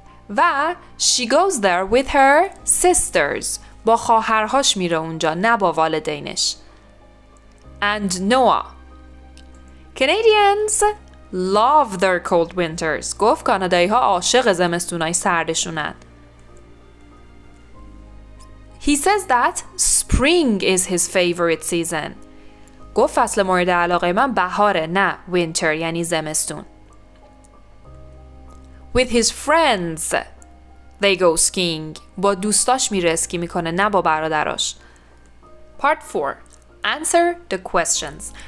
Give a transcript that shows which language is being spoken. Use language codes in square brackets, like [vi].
[en] و she goes there with her sisters. [fa] با خواهرهاش میره اونجا، نه با والدینش. [en] And Noah. Canadians love their cold winters. [fa] گفت کانادایی ها عاشق زمستونای سردشونن. [en] He says that spring is his favorite season. [fa] گفت فصل مورد علاقه من بهاره، نه winter یعنی زمستون. [en] With his friends they go skiing. [fa] با دوستاش میره اسکی میکنه، نه با برادراش. [en] Part 4. Answer the questions.